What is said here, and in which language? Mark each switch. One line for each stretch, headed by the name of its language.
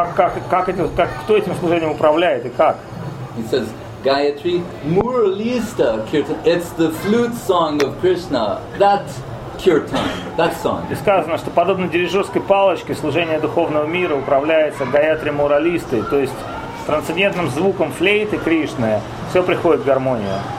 Russian: Кто этим служением управляет и как?
English: He says, Gayatri Muralista Kirtan. It's the flute song of Krishna. That Kirtan, that song.
Russian: И сказано, что подобно дирижерской палочке служение духовного мира управляется Гаятри Муралисты, то есть трансцендентным звуком флейты Кришны, все приходит в гармонию.